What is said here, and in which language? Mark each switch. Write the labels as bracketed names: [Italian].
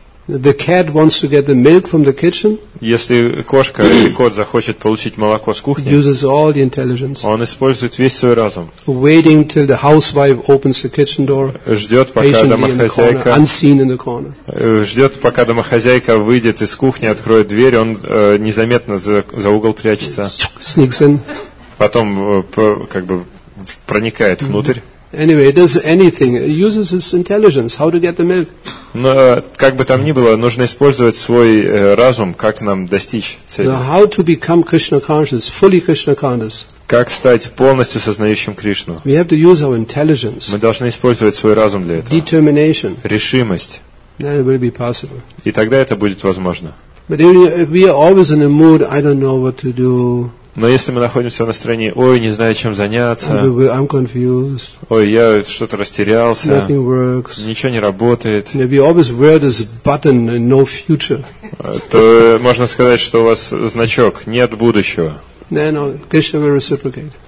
[English] The cat wants to get the milk from the kitchen. [Russian] Если кошка или кот захочет получить молоко с кухни, [English] uses all the intelligence. [Russian] Он использует весь свой разум. [English] Waiting till the housewife opens the kitchen door. [Russian] Ждет, пока домохозяйка. [English] Unseen in the corner. [Russian] Ждет, пока домохозяйка выйдет из кухни, откроет дверь, он незаметно за угол прячется. [English] Sneaks in. [Russian] Потом как бы проникает внутрь. [English] Anyway, it does anything. It uses its intelligence. How to get the milk? [Russian] Но как бы там ни было, нужно использовать свой разум, как нам достичь цели. [English] Now, how to become Krishna conscious, fully Krishna conscious? [Russian] Как стать полностью сознающим Кришну? [English] We have to use our intelligence. [Russian] Мы должны использовать свой разум для этого. [English] Determination. [Russian] Решимость. [English] Then it will be possible. [Russian] И тогда это будет возможно. [English] But if we are always in a mood, I don't know what to do. [Russian] Но если мы находимся в настроении, ой, не знаю, чем заняться, ой, я что-то растерялся, ничего не работает, [English] no [Russian] то можно сказать, что у вас значок «нет будущего». [English] No,